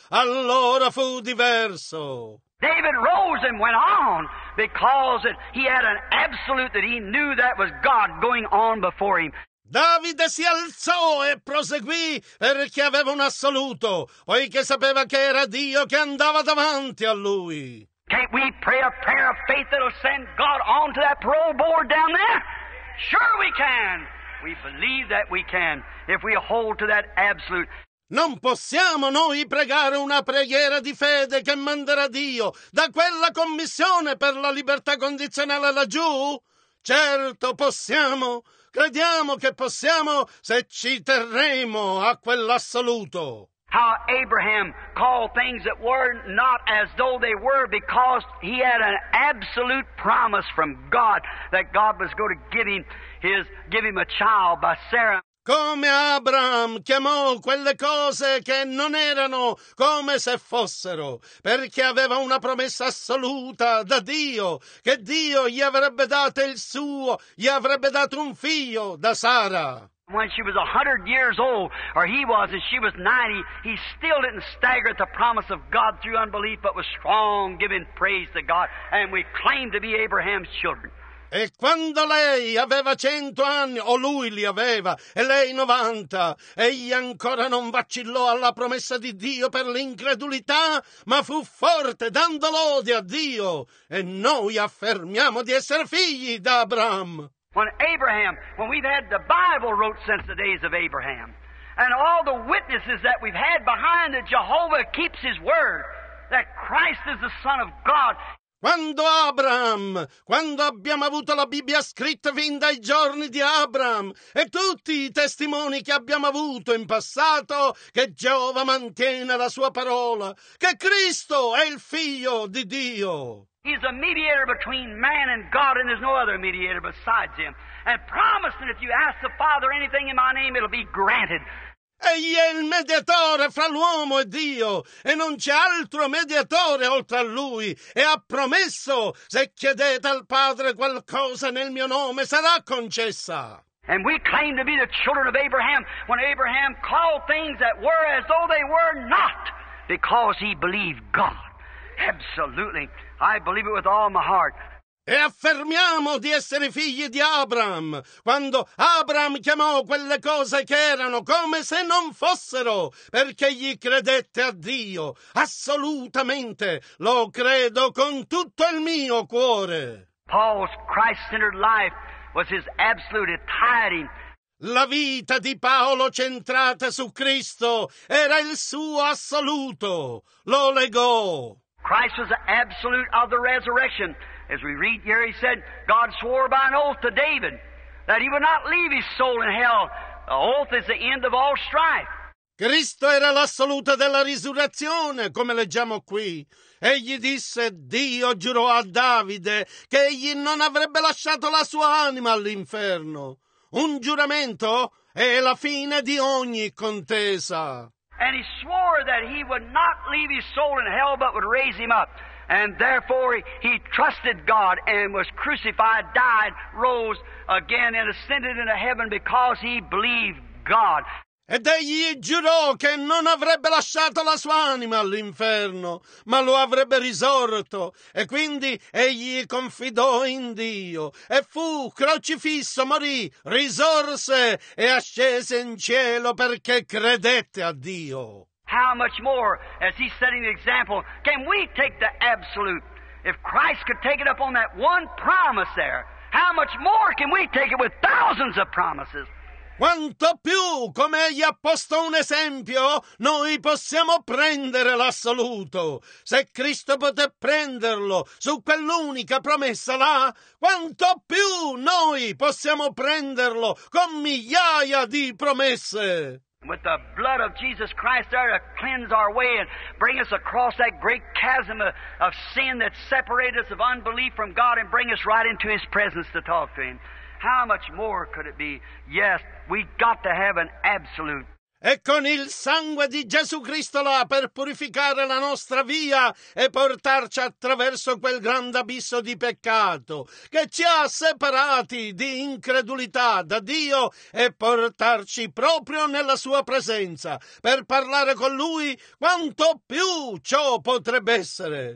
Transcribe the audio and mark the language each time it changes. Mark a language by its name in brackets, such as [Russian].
[Italian] Allora fu diverso. [English] David rose and went on because he had an absolute that he knew that was God going on before him. [Italian] Davide si alzò e proseguì perché aveva un assoluto, poiché sapeva che era Dio che andava davanti a lui. [English] Can't we pray a prayer of faith that'll send God onto that parole board down there? Sure we can. We believe that we can if we hold to that absolute. [Italian] Non possiamo noi pregare una preghiera di fede che manderà Dio da quella commissione per la libertà condizionale laggiù? Certo possiamo. Crediamo che possiamo se ci terremo a quell'assoluto. [English] How Abraham called things that were not as though they were because he had an absolute promise from God that God was going to give him a child by Sarah. [Italian] Come Abraham chiamò quelle cose che non erano come se fossero, perché aveva una promessa assoluta da Dio, che Dio gli avrebbe dato il suo, gli avrebbe dato un figlio da Sara. [English] When she was 100 years old, or he was, and she was 90, he still didn't stagger at the promise of God through unbelief, but was strong, giving praise to God, and we claim to be Abraham's children. [Italian] E quando lei aveva 100 anni, o lui li aveva, e lei 90, egli ancora non vacillò alla promessa di Dio per l'incredulità, ma fu forte dando lode a Dio. E noi affermiamo di essere figli da Abraham. [English] When Abraham, when we've had the Bible wrote since the days of Abraham, and all the witnesses that we've had behind that Jehovah keeps his word, that Christ is the Son of God. [Italian] Quando Abram, quando abbiamo avuto la Bibbia scritta fin dai giorni di Abram e tutti i testimoni che abbiamo avuto in passato che Geova mantiene la sua parola, che Cristo è il figlio di Dio. [English] He's a mediator between man and God, and there's no other mediator besides him. And promised that if you ask the Father anything in my name, it'll be granted. [Italian] Egli è il mediatore fra l'uomo e Dio, e non c'è altro mediatore oltre a Lui, e ha promesso, se chiedete al Padre qualcosa nel mio nome, sarà concessa. [English] And we claim to be the children of Abraham, when Abraham called things that were as though they were not, because he believed God. Absolutely. I believe it with all my heart. [Italian] E affermiamo di essere figli di Abram, quando Abram chiamò quelle cose che erano come se non fossero, perché gli credette a Dio. Assolutamente, lo credo con tutto il mio cuore. [English] Paul's Christ-centered life was his absolute entirety. [Italian] La vita di Paolo centrata su Cristo era il suo assoluto. Lo legò. [English] Christ was the absolute of the resurrection. As we read here, he said, God swore by an oath to David that he would not leave his soul in hell. The oath is the end of all strife. [Italian] Cristo era l'assoluto della risurrezione, come leggiamo qui. Egli disse, Dio giurò a Davide che egli non avrebbe lasciato la sua anima all'inferno. Un giuramento è la fine di ogni contesa. [English] And he swore that he would not leave his soul in hell, but would raise him up. And therefore he trusted God and was crucified, died, rose again, and ascended into heaven because he believed God. [Italian] Ed egli giurò che non avrebbe lasciato la sua anima all'inferno, ma lo avrebbe risorto. E quindi egli confidò in Dio e fu crocifisso, morì, risorse e ascese in cielo perché credette a Dio. [English] How much more, as he's setting the example, can we take the absolute? If Christ could take it up on that one promise there, how much more can we take it with thousands of promises? [Italian] Quanto più, come egli ha posto un esempio, noi possiamo prendere l'assoluto. Se Cristo poté prenderlo su quell'unica promessa là, quanto più noi possiamo prenderlo con migliaia di promesse. [English] With the blood of Jesus Christ there to cleanse our way and bring us across that great chasm of sin that separated us of unbelief from God and bring us right into His presence to talk to Him. How much more could it be? Yes, we got to have an absolute. [Italian] E con il sangue di Gesù Cristo là per purificare la nostra via e portarci attraverso quel grande abisso di peccato che ci ha separati di incredulità da Dio e portarci proprio nella sua presenza per parlare con Lui, quanto più ciò potrebbe essere.